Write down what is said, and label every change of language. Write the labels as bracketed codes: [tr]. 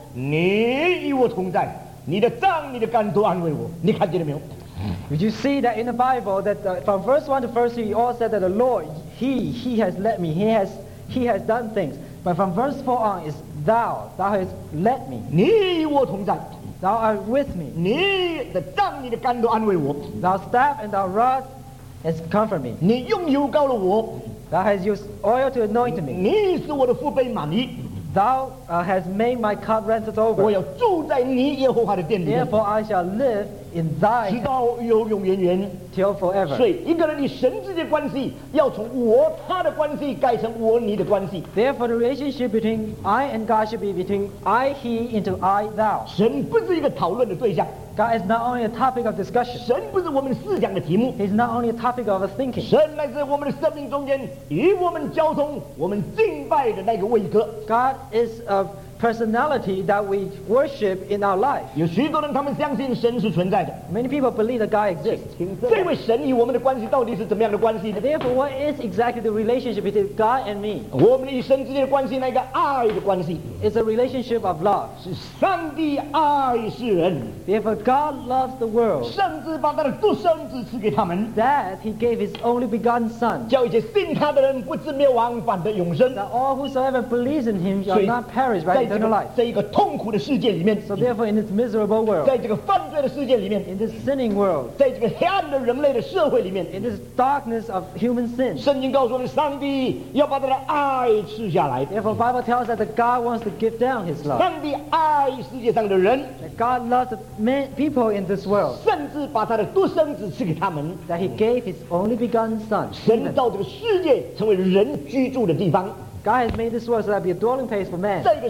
[zh] 你与我同在，你的杖、你的竿都安慰我。你看见了没有 [en] ？Did you see that in the Bible that from verse one to verse three, you all said that the Lord, He has led me, He has done things. But from verse four on, it's Thou has led me. [zh] 你与我同在 [en] ，Thou are with me. [zh] 你的杖、你的竿都安慰我。 [en] Thou staff and thou rod has comforted me. [zh] 你用油膏了我 [en] ，Thou has used oil to anoint me. [zh] 你是我的父辈满意。 [en] Thou has made my cup runneth over. [zh] 我要住在你耶和华的殿里。 [en] Therefore, I shall live in thy hand, [zh] 直到永远远, [en] till forever. [zh] 所以一个人与神之间关系要从我他的关系改成我你的关系。 [en] Therefore the relationship between I and God should be between I, he into I, thou. [zh] 神不是一个讨论的对象。 [en] God is not only a topic of discussion. [zh] 神不是我们思想的题目。 [en] He's not only a topic of thinking. [zh] 神乃是我们的生命中间与我们交通我们敬拜的那个位格。 [en] God is a personality that we worship in our life. [zh] 有许多人他们相信神是存在的。 [en] Many people believe that God exists. [zh] 这位神与我们的关系到底是怎么样的关系呢？ [en] Therefore, what is exactly the relationship between God and me? [zh] 我们与神之间的关系，那个爱的关系。 [en] It's a relationship of love. [zh] 是上帝爱世人。 [en] Therefore, God loves the world. [zh] 甚至把他的独生子赐给他们。 [en] That he gave his only begotten son. [zh] 叫一些信他的人不至灭亡，反得永生。 [en] That all whosoever believes in him shall not perish, but [zh] 在这个痛苦的世界里面， [en] so therefore in this miserable world, [zh] 在这个犯罪的世界里面， [en] in this sinning world, [zh] 在这个黑暗的人类的社会里面， [en] in this darkness of human sin, [zh] 圣经告诉我们，上帝要把他的爱赐下来。 [en] Therefore Bible tells that God wants to give down his love. [zh] 上帝爱世界上的人， [en] that God loves the man, people in this world, [zh] 甚至把他的独生子赐给他们， [en] that he gave his only begotten son. [zh] 神到这个世界成为人居住的地方。 [en] God has made this world so that it be a dwelling place for man.